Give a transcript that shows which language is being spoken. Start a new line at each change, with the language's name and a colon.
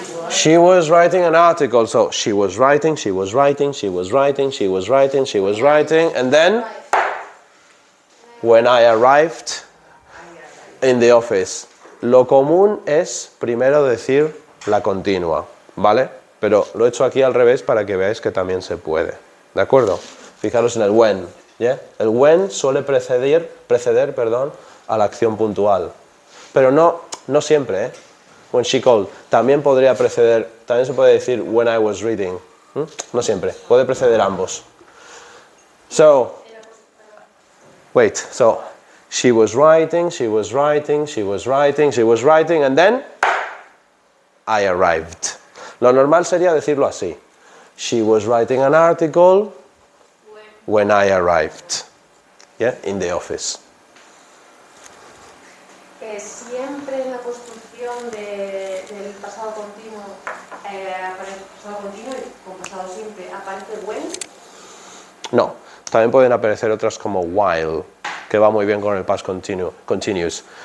English: She was writing an article. So, she was writing, she was writing, she was writing, she was writing, she was writing. And then, when I arrived in the office.
Spanish: Lo común es primero decir la continua, ¿vale? Pero lo he hecho aquí al revés para que veáis que también se puede, ¿de acuerdo? Fijaros en el when, ¿ya? ¿Yeah? El when suele preceder, a la acción puntual. Pero no siempre, ¿eh?
English: When she called.
Spanish: También podría preceder, también se puede decir
English: when I was reading.
Spanish: No siempre, puede preceder ambos.
English: So, wait, so... She was writing, she was writing, she was writing, she was writing, and then I arrived.
Spanish: Lo normal sería decirlo así.
English: She was writing an article when I arrived. Yeah, in the office.
Spanish: Siempre en la construcción del pasado continuo, aparece when? No, también pueden aparecer otras como while. Que va muy bien con el past continuous.